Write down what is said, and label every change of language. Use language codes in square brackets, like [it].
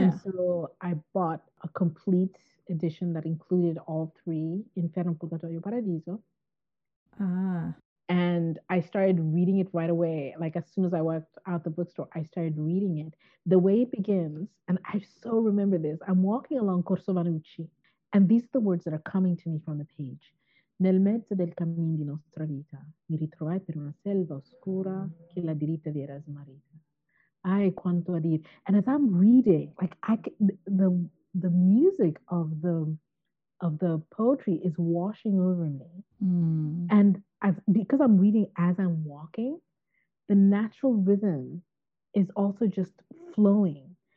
[en] And so I bought a complete edition that included all 3, Inferno, Purgatorio, Paradiso. And I started reading it right away. Like as soon as I walked out the bookstore, I started reading it. The way it begins, and I so remember this, I'm walking along Corso Vanucci, and these are the words that are coming to me from the page. [it] Nel mezzo del cammin di nostra vita, mi ritrovai per una selva oscura che la diritta vi era smarrita. Ay, quanto a dir. [en] And as I'm reading, like the music of the poetry is washing over me. And because I'm reading as I'm walking, the natural rhythm is also just flowing.